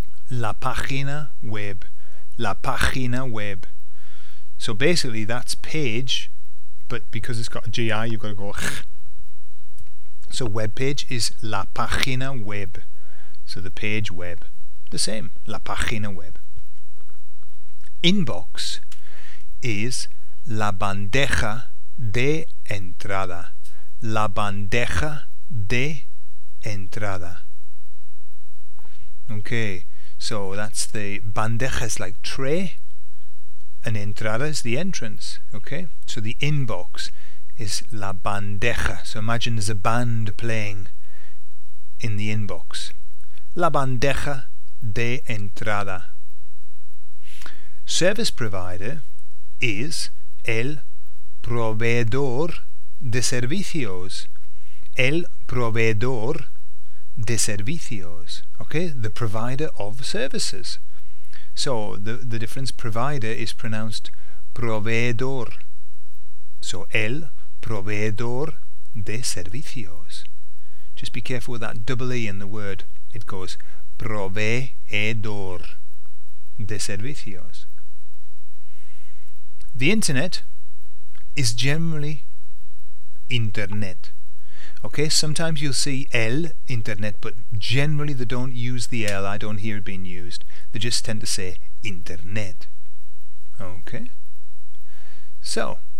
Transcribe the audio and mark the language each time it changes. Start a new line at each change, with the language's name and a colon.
Spanish: La página web, la página web.
English: So basically that's page, but because it's got a GI, you've got to go ch. So web page is
Spanish: la página web.
English: So the page web, the same, la página web. Inbox is
Spanish: la bandeja de entrada, la bandeja de entrada.
English: Okay, so that's the bandeja is like tray, and entrada is the entrance. Okay, so the inbox is
Spanish: la bandeja.
English: So imagine there's a band playing in the inbox,
Spanish: la bandeja de entrada.
English: Service provider is
Spanish: el proveedor de servicios. El proveedor de servicios.
English: Okay, the provider of services. So the difference, provider is pronounced proveedor.
Spanish: So el proveedor de servicios.
English: Just be careful with that double E in the word. It goes
Spanish: proveedor de servicios.
English: The internet is generally internet. Okay, sometimes you'll see el internet, but generally they don't use the L. I don't hear it being used. They just tend to say internet. Okay, so